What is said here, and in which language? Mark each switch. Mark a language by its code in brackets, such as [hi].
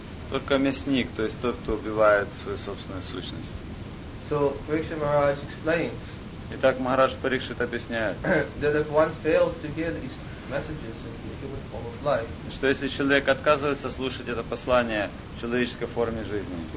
[ru] Только мясник, то есть тот, кто убивает свою собственную сущность. [en] So, Parikshit Maharaj explains. [ru] Итак, Махарадж Парикшит объясняет. [en] That if one fails to hear these messages in the human form of life. [ru] Что если человек отказывается слушать это послание в человеческой форме жизни?